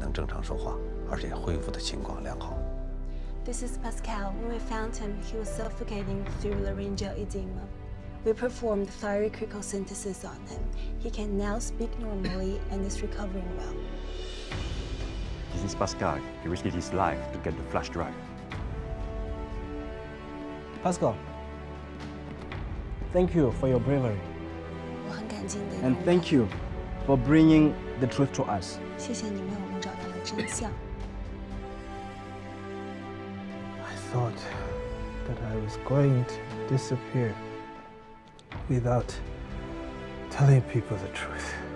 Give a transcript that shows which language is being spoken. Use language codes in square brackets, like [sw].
[zh] 患者帕斯卡多处烧伤。我们发现他的时候，因为喉头水肿导致了气道栓塞，我们给他做了环甲膜穿刺，现在能正常说话，而且恢复的情况良好。 [en] This is Pascal. When we found him, he was suffocating through laryngeal edema. We performed thyrocricosynthesis synthesis on him. He can now speak normally and is recovering well. This is Pascal. He risked his life to get the flash drive. Pascal, thank you for your bravery. And thank you for bringing the truth to us. [zh] 谢谢你为我们找到了真相。 [en] I thought that I was going to disappear without telling people the truth.